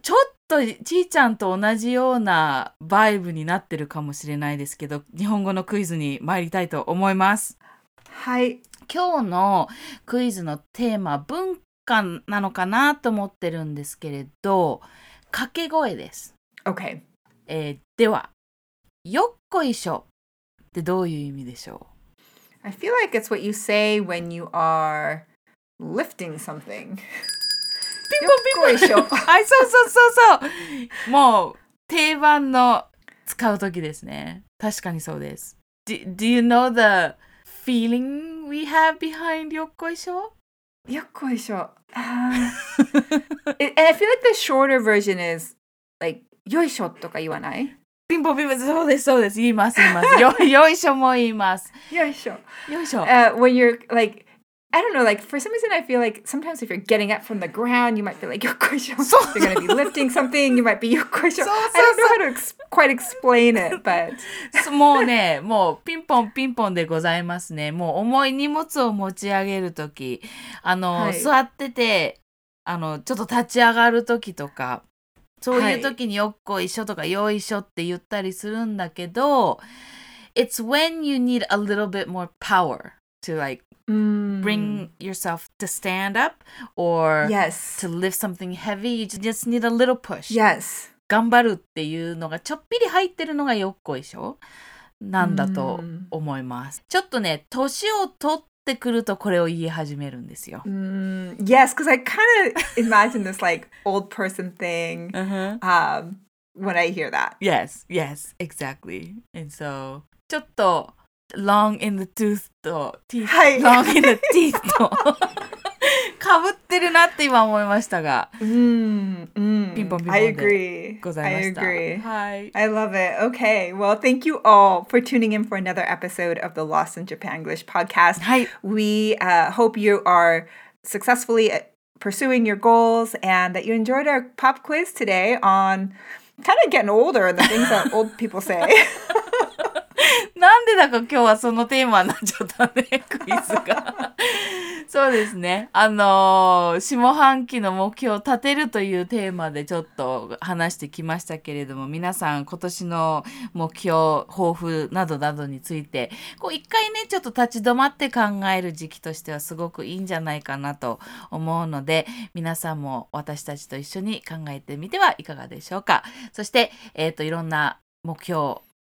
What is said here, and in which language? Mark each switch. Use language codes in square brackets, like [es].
[ja] ちょっとちーちゃんと同じようなバイブになってるかもしれないですけど、日本語のクイズに参りたいと思います。はい。今日のクイズのテーマ、文化なのかなと思ってるんですけれど、掛け声です。 [en] Okay. [ja] では、よっこいしょってどういう意味でしょう? [en] I feel like it's what you say when you are lifting something. [ja] ピンポンピンポン。よっこいしょ。そうそうそうそう。もう定番の使うときですね。確かにそうです。 [en] Do you know the feeling we have behind よっこいしょ? よっこいしょ。I feel like the shorter version is like, [ja] よいしょとか言わない? ピンポンピンポン、そうです、そうです、言います、言います。よいしょも言います。よいしょ。よいしょ。 [en] When you're like, I don't know, like, for some reason I feel like sometimes if you're getting up from the ground, you might be like, よっこいしょ。 [ja] そう。 [en] You're gonna be lifting something, you might be よっこいしょ。 [ja] そうそうそう。 [en] I don't know how to quite explain it, but. [ja] もうね、もうピンポンピンポンでございますね。もう重い荷物を持ち上げるとき、あの、はい、座ってて、あの、ちょっと立ち上がるときとか、そういう時によっこいしょとかよいしょって言ったりするんだけど、はい、 [en] It's when you need a little bit more power to like bring yourself to stand up or yes. to lift something heavy. You just need a little push. Yes. [ja] 頑張るっていうのがちょっぴり入ってるのがよっこいしょなんだと思います。ちょっとね、年を取ってくるとこれを言い始めるんですよ。 [en] Yes, because I kind of imagine this like old person thing when I hear that. Yes, yes, exactly. And so, [ja] ちょっと [en] long in the tooth と teeth、 [ja] はい、 long in the teeth とかぶってるなって今思いましたが、ピンポンピンポンでございました。 [en] I agree. [ja] はい。 [en] I love it. Okay. Well, thank you all for tuning in for another episode of the Lost in Japan English podcast. [ja] はい。 [en] We hope you are successfully pursuing your goals and that you enjoyed our pop quiz today on kind of getting older and the things that old people say. [ja] なんでだか今日はそのテーマになっちゃったね、クイズが。そうですね。下半期の目標を立てるというテーマでちょっと話してきましたけれども、皆さん今年の目標、抱負などなどについて、こう一回ね、ちょっと立ち止まって考える時期としてはすごくいいんじゃないかなと思うので、皆さんも私たちと一緒に考えてみてはいかがでしょうか。そして、いろんな目標、